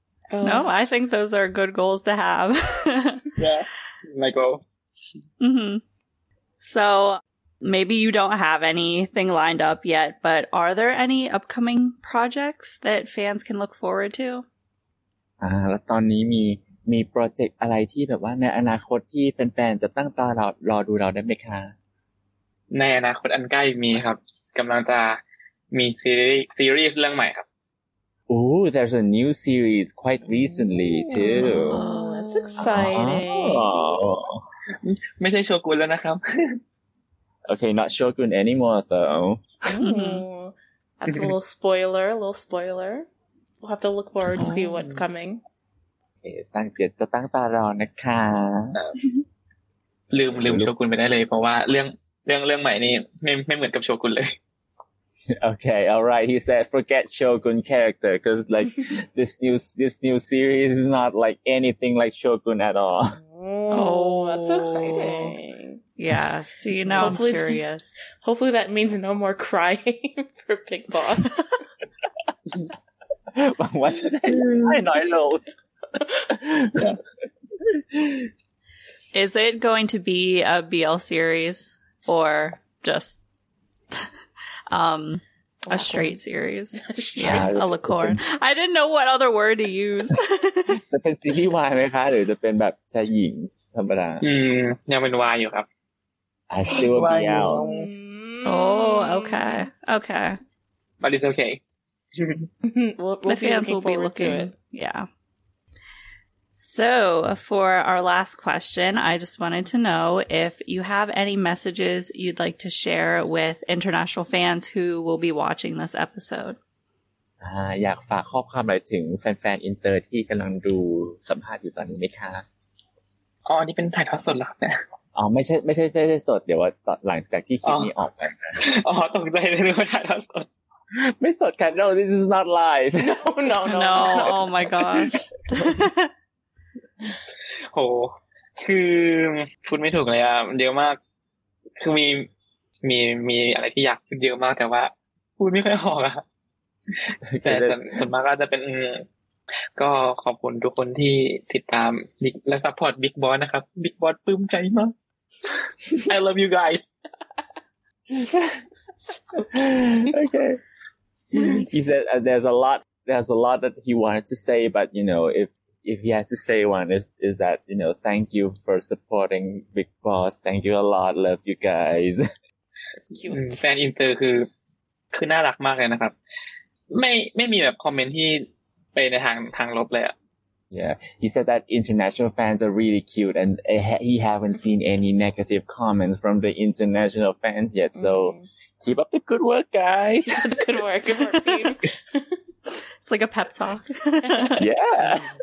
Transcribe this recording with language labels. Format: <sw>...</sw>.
<en>No, I think those are good goals to have. Yeah, this is my goal. Mm-hmm. So... Maybe you don't have anything lined up yet, but are there any upcoming projects that fans can look forward to?</en> <th>แล้วตอนนี้มีโปรเจกต์อะไรที่แบบว่าในอนาคตที่แฟนๆจะตั้งตารอดูเราได้ไหมคะ ในอนาคตอันใกล้มีครับกำลังจะมีซีรีส์เรื่องใหม่ครับ</th> <en>Ooh, there's a new series quite recently too. Oh, that's exciting. Oh.</en> <th>ไม่ใช่โชกุนแล้วนะครับ</th> <en>Okay, not Shogun anymore, though. Ooh, that's a little spoiler, We'll have to look forward to see what's coming.</en> <th>Okay, ตั้งตารอนะคะ ลืมShogun ไปได้เลยเพราะว่าเรื่องใหม่นี่ไม่เหมือนกับShogunเลย</th> <en>Okay, alright, he said forget Shogun character, because like, this new series is not like anything like Shogun at all. Oh, that's so exciting. Yeah, see, so, you know, I'm curious. Hopefully that means no more crying for Big Boss. What's that? I know. Yeah. Is it going to be a BL series or just a straight series? Straight, yeah, a licorne. I didn't know what other word to use.</en> <th>จะเป็นซีรีส์วายไหมคะหรือจะเป็นแบบชายหญิงธรรมดายังเป็นวายอยู่ครับ</th> <en>I still a BL. Oh, okay. Okay. But it's okay. the fans will be looking. Yeah. So, for our last question, I just wanted to know if you have any messages you'd like to share with international fans who will be watching this episode.</en> <th>อยากฝากข้อความอะไรถึงแฟนๆอินเตอร์ที่กำลังดูสัมภาษณ์อยู่ตอนนี้ไหมคะ อันนี้เป็นถ่ายทอดสดหรอครับ อ๋อไม่ใช่สดเดี๋ยวว่าหลังจากที่คลิปนี้ออกไป อ๋อตกใจเลยว่าถ่ายสด ไม่สดค่ะ</th> <en>no this is not live no oh my gosh</en> <th>โหคือพูดไม่ถูกเลยอ่ะเยอะมากคือมีอะไรที่อยากพูดเยอะมากแต่ว่าพูดไม่ค่อยออกอ่ะแต่ส่วนมากก็จะเป็นก็ขอบคุณทุกคนที่ติดตามและซัพพอร์ตบิ๊กบอสนะครับบิ๊กบอสปลื้มใจมาก</th> <en>I love you guys. Okay. He said there's a lot that he wanted to say, but you know, if he has to say one is that, you know, thank you for supporting Big Boss. Thank you a lot. Love you guys.</en> <th>แฟนอินเตอร์คือน่ารักมากเลยนะครับไม่มีแบบคอมเมนต์ที่ไปในทางลบเลยอ่ะ</th> <en>Yeah, he said that international fans are really cute and he haven't seen any negative comments from the international fans yet. So keep up the good work, guys. good work team. It's It's like a pep talk. Yeah.</en>